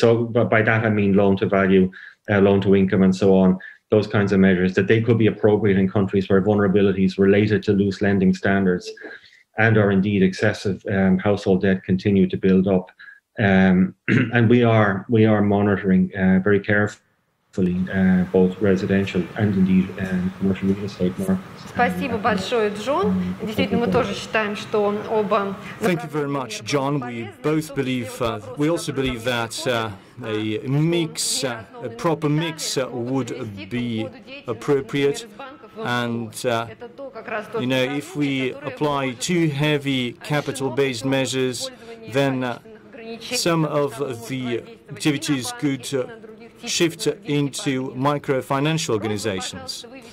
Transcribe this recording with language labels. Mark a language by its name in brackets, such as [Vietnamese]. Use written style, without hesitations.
[English] So but by that I mean loan to value, loan to income and so on, those kinds of measures, that they could be appropriate in countries where vulnerabilities related to loose lending standards and are indeed excessive household debt continue to build up. And we are monitoring very carefully both residential and indeed commercial real estate markets. [Russian] Спасибо большое, Джон. Действительно, мы тоже считаем, что оба. [English] Thank you very much, John. We both believe. We also believe that a proper mix would be appropriate. And, you know, if we apply too heavy capital-based measures, then some of the activities could shift into microfinancial organizations.